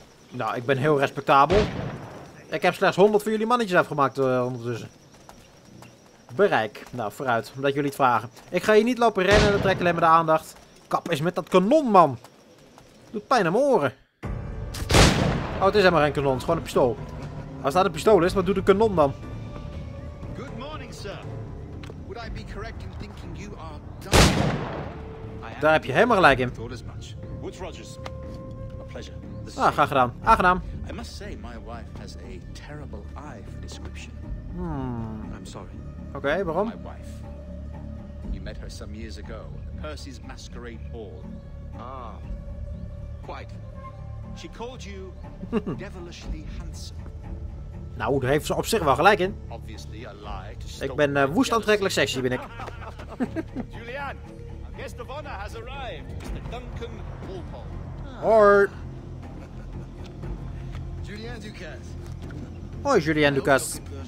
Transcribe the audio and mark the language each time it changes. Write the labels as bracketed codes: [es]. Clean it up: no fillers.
[nl] Nou, ik ben heel respectabel. Ik heb slechts 100 van jullie mannetjes afgemaakt ondertussen. Bereik. Nou, vooruit. Omdat jullie het vragen. Ik ga hier niet lopen rennen. Dat trekt alleen maar de aandacht. Kap eens met dat kanon, man. Doet pijn aan mijn oren. Oh, het is helemaal geen kanon. Het is gewoon een pistool. Als dat een pistool is, wat doet een kanon dan? [en] Good morning, sir. Would I be correct in thinking you are done? [nl] Daar heb je helemaal gelijk in. Woods Rogers. [en] A pleasure. [nl] Ah, graag gedaan. Aangenaam. [en] I must say my wife has a terrible eye for description. I'm sorry. Okay, [nl] waarom? [en] My wife. You met her some years ago at Percy's Masquerade Ball. Ah. Quite. She called you devilishly handsome. [nl] Nou, daar heeft ze op zich wel gelijk in. [en] Obviously a lie to stop. [nl] Ik ben woest aantrekkelijk sexy ben ik. [en] Julianne, our guest of honor has arrived. Mr. Duncan Walpole. Or Julien Ducasse. Hoi Julien Ducasse.